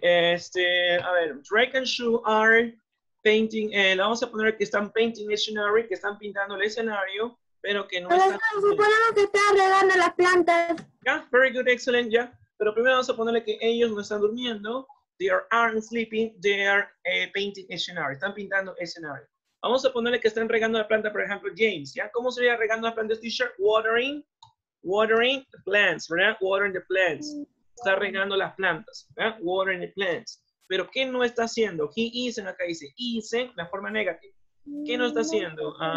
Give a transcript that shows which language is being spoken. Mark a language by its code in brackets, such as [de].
[es] A ver, [en] Drake and Shoe are. [es] Painting, le vamos a poner que están painting el scenario, que están pintando el escenario, pero que no están... Suponemos que están regando las plantas. [en] Yeah, very good, excellent, yeah. [es] Pero primero vamos a ponerle que ellos no están durmiendo. [en] They aren't sleeping, they are painting [es] el [en] scenario. [es] Están pintando el escenario. Vamos a ponerle que están regando la planta, por ejemplo, James, ¿ya? ¿Cómo sería regando la planta, [en] teacher? Watering the plants, [es] ¿verdad? [en] Watering the plants. [es] Está regando las plantas, ¿verdad? [en] Watering the plants. [es] Pero, ¿qué no está haciendo? [en] He isn't, [es] acá dice, isn't, la forma negativa. ¿Qué no está haciendo?